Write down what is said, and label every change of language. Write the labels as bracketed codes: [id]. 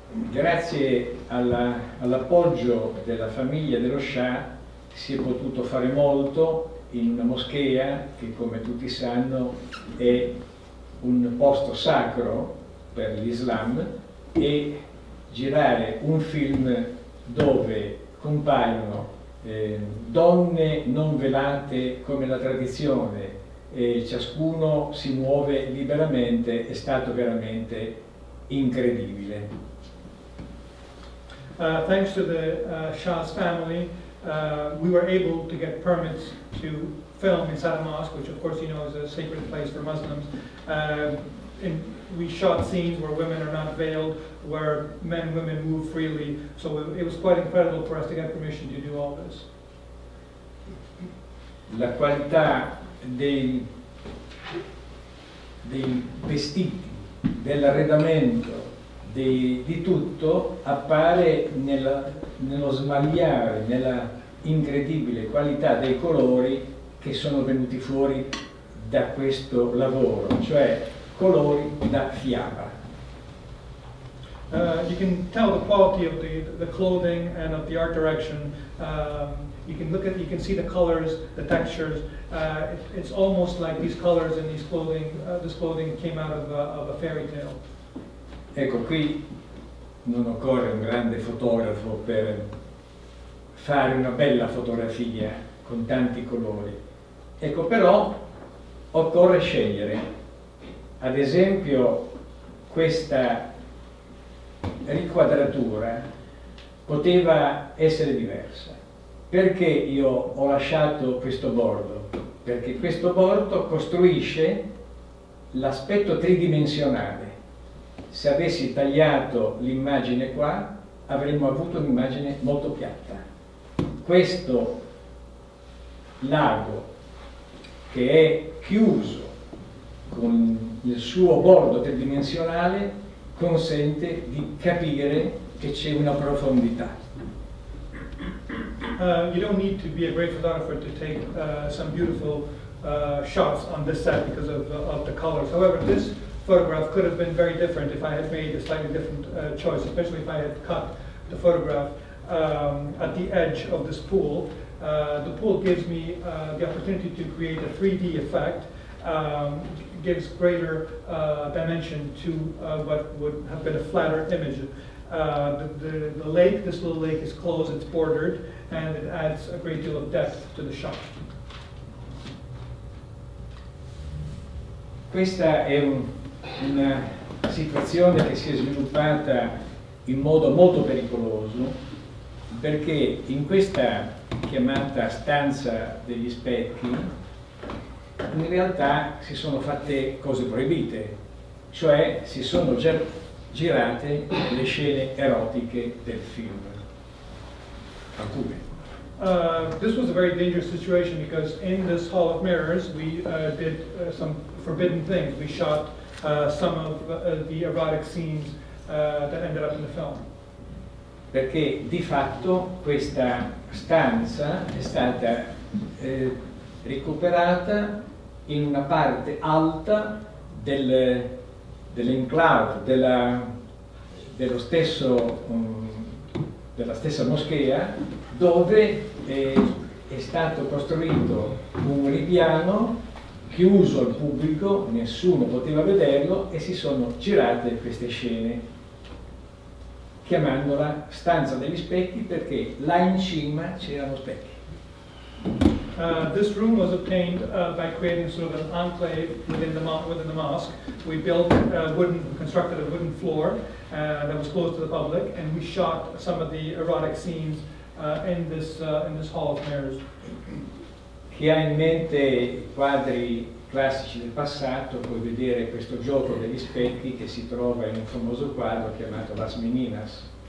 [it] Grazie all'appoggio della famiglia dello Shah si è potuto fare molto in una moschea che, come tutti sanno, è un posto sacro per l'Islam, e girare un film dove compaiono donne non velate come la tradizione, e ciascuno si muove liberamente, è stato veramente incredibile. [en] Thanks to the Shah's family, we were able to get permits to film inside a mosque, which of course you know is a sacred place for Muslims. And we shot scenes where women are not veiled, where men and women move freely. So it was quite incredible for us to get permission to do all this. [it] La qualità dei vestiti, dell'arredamento, di tutto appare nello smagliare, nella incredibile qualità dei colori che sono venuti fuori da questo lavoro, cioè colori da fiaba. [en] You can tell the quality of the clothing and of the art direction. You can see the colors, the textures. It's almost like these colors and these clothing, this clothing came out of a fairy tale. [it] Ecco, qui non occorre un grande fotografo per fare una bella fotografia con tanti colori. Ecco, però occorre scegliere. Ad esempio, questa riquadratura poteva essere diversa. Perché io ho lasciato questo bordo? Perché questo bordo costruisce l'aspetto tridimensionale. Se avessi tagliato l'immagine qua, avremmo avuto un'immagine molto piatta. Questo lago, che è chiuso con il suo bordo tridimensionale, consente di capire che c'è una profondità. [en] You don't need to be a great photographer to take some beautiful shots on this set because of the colors. However, this photograph could have been very different if I had made a slightly different choice, especially if I had cut the photograph at the edge of this pool. The pool gives me the opportunity to create a 3D effect, gives greater dimension to what would have been a flatter image. The lake, this little lake is closed, it's bordered, and it adds a great deal of depth to the shot. [it] Questa è una situazione che si è sviluppata in modo molto pericoloso, perché in questa chiamata stanza degli specchi in realtà si sono fatte cose proibite, cioè si sono girate le scene erotiche del film. Alcune. [en] This was a very dangerous situation because in this hall of mirrors we did some forbidden things. We shot some of the erotic scenes that ended up in the film. [it] Perché di fatto questa stanza è stata recuperata in una parte alta dell'enclave, della stessa moschea, dove è stato costruito un ripiano chiuso al pubblico, nessuno poteva vederlo, e si sono girate queste scene, chiamandola stanza degli specchi, perché là in cima c'erano specchi. [en] This room was obtained by creating sort of an enclave within the mosque. We built a wooden, constructed a wooden floor that was closed to the public, and we shot some of the erotic scenes in this hall of mirrors. [it] Chi ha in mente quadri classici del passato può vedere questo gioco degli specchi che si trova in un famoso quadro chiamato Las Meninas.